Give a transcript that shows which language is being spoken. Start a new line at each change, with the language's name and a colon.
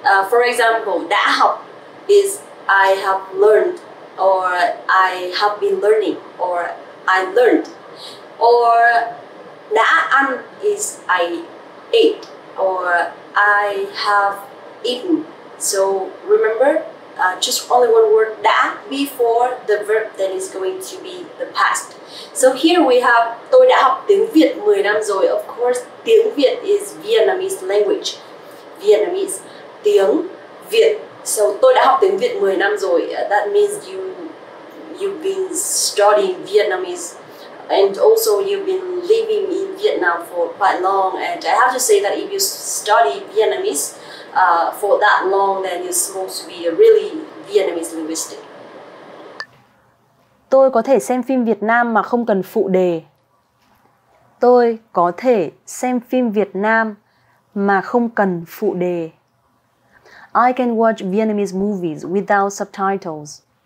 English: For example, đã học is I have learned or I have been learning or I learned. Or đã ăn is I ate or I have eaten. So remember, just only one word đã before the verb that is going to be the past. So here we have
Vietnamese: tôi đã học tiếng Việt 10 năm rồi.
English: Of course, tiếng Việt is Vietnamese language.
Vietnamese: Vietnamese, tiếng Việt. So tôi đã học tiếng Việt 10 năm rồi.
English: That means you've been studying Vietnamese. And also you've been living in Vietnam for quite long, and I have to say that if you study Vietnamese for that long, then you're supposed to be a really Vietnamese linguist.
Vietnamese: Tôi có thể xem phim Việt Nam mà không cần phụ đề. Tôi có thể xem phim Việt Nam mà không cần phụ đề.
English: I can watch Vietnamese movies without subtitles.